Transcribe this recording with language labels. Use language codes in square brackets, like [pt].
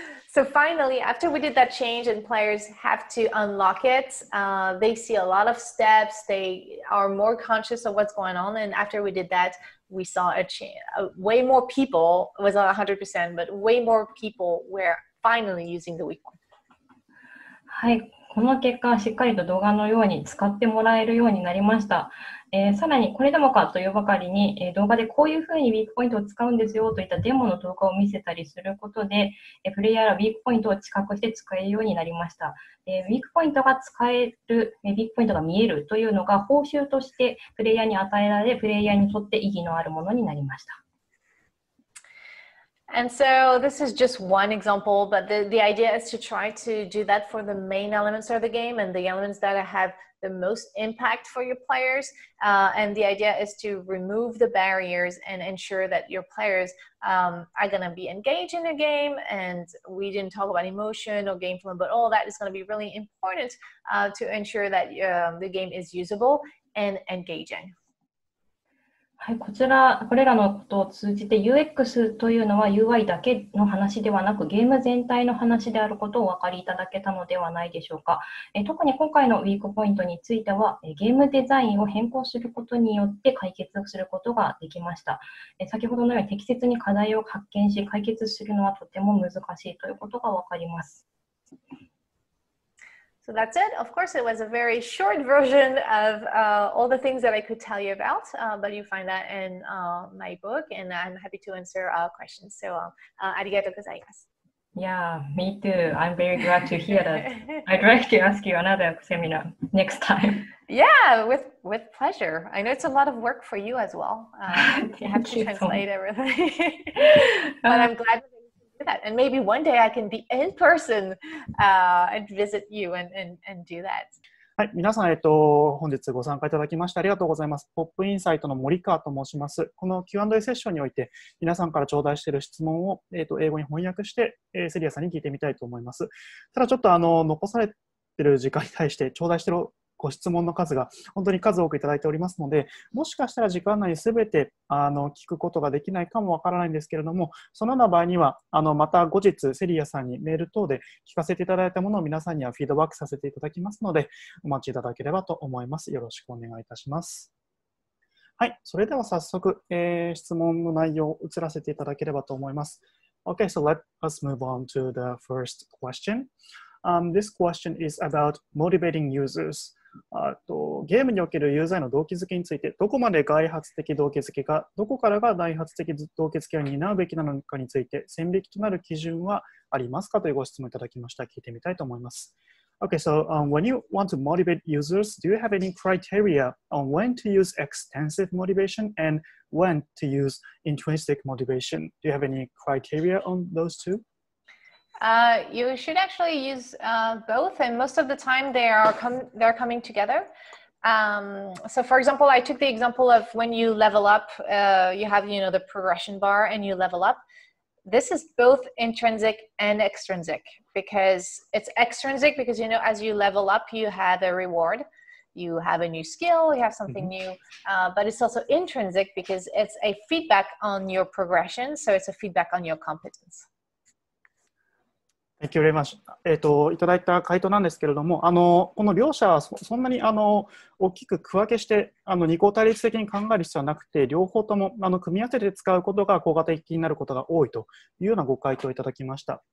[en] So finally, after we did that change and players have to unlock it, they see a lot of steps, they are more conscious of what's going on, and after we did that, we saw way more people, it was not 100%, but way more people were finally using the weak point. [ja] はい、この結果しっかりと動画のように使ってもらえるようになりました。さらにこれでもかというばかりに、動画でこういうふうにウィークポイントを使うんですよといったデモの動画を見せたりすることで、プレイヤーはウィークポイントを知覚して使えるようになりました。ウィークポイントが使える、ウィークポイントが見えるというのが報酬としてプレイヤーに与えられ、プレイヤーにとって意義のあるものになりました。 [en] And so this is just one example, but the idea is to try to do that for the main elements of the game and the elements that have the most impact for your players. And the idea is to remove the barriers and ensure that your players are going to be engaged in the game. And we didn't talk about emotion or game flow, but all that is going to be really important to ensure that the game is usable and engaging. [ja] はい、これらのことを通じて UX というのは UI だけの話ではなく、ゲーム全体の話であることをお分かりいただけたのではないでしょうか。特に今回のウィークポイントについては、ゲームデザインを変更することによって解決することができました。先ほどのように適切に課題を発見し解決するのはとても難しいということが分かります。 [en] So that's it. Of course, it was a very short version of all the things that I could tell you about, but you find that in my book, and I'm happy to answer questions. So, [ja] ありがとうございます。 [en] Yeah, me too. I'm very glad to hear that. I'd like to ask you another seminar next time. Yeah, with pleasure. I know it's a lot of work for you as well. You have to translate everything. But I'm glad that you can do that. And maybe one day I can be in person and visit you and do that. [ja] はい、皆さん、本日ご参加いただきましてありがとうございます。ポップインサイトの森川と申します。この Q&A セッションにおいて、皆さんから頂戴している質問を、英語に翻訳して、セリアさんに聞いてみたいと思います。ただちょっと残されている時間に対して、頂戴しているご質問の数が本当に数多くいただいておりますので、もしかしたら時間内すべて聞くことができないかもわからないんですけれども、そのような場合には、また後日、セリアさんにメール等で聞かせていただいたものを皆さんにはフィードバックさせていただきますので、お待ちいただければと思います。よろしくお願いいたします。はい、それでは早速、質問の内容を移らせていただければと思います。 [en] Okay, so let us move on to the first question. This question is about motivating users. [ja] ゲームにおけるユーザーの動機づけについて、どこまで外発的動機づけか、どこからが内発的動機づけを担うべきなのかについて、線引きとなる基準はありますかというご質問いただきました。聞いてみたいと思います。 [en] Okay, so when you want to motivate users, do you have any criteria on when to use extensive motivation and when to use intrinsic motivation? Do you have any criteria on those two? You should actually use both, and most of the time they're coming together. So for example, I took the example of when you level up, you have, you know, the progression bar and you level up. This is both intrinsic and extrinsic, because it's extrinsic because, you know, as you level up, you have a reward. You have a new skill, you have something mm-hmm. new, but it's also intrinsic because it's a feedback on your progression. So it's a feedback on your competence. Thank you very much. [ja] いただいた回答なんですけれども、この両者は そんなに大きく区分けして二項対立的に考える必要はなくて、両方とも組み合わせて使うことが効果的になることが多いというようなご回答をいただきました。